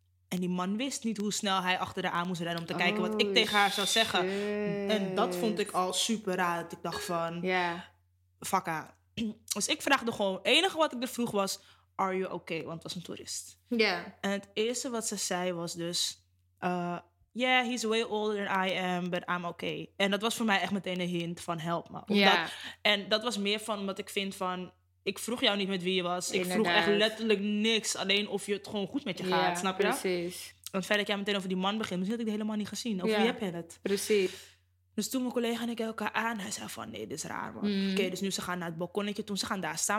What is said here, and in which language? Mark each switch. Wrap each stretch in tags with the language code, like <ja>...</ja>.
<nl>En die man wist niet hoe snel hij achter haar aan moest rennen... om te kijken wat ik tegen haar zou zeggen. En dat vond ik al super raar. Dat ik dacht van, fucka. Dus ik vraagde gewoon... het enige wat ik er vroeg was...</nl> <en>are you okay?</en> <nl>Want het was een toerist. Ja.</nl> <en>Yeah.</en> <nl>En het eerste wat ze zei was dus...</nl> <en>Yeah, he's way older than I am, but I'm okay.</en> <nl>En dat was voor mij echt meteen een hint van help me. Ja.</nl> <en>Yeah.</en> <nl>En dat was meer van omdat ik vind van... Ik vroeg jou niet met wie je was. Inderdaad. Ik vroeg echt letterlijk niks. Alleen of je het gewoon goed met je gaat,</nl> <en>yeah,</en> <nl>snap je precies. Dat? Precies. Want verder dat jij meteen over die man begint, misschien had ik die helemaal niet gezien. Of wie heb je het? Precies. Dus toen mijn collega en ik elkaar aan, hij zei van nee, dit is raar, man. Mm. Oké, dus nu ze gaan naar het balkonnetje, toen ze gaan daar staan.</nl>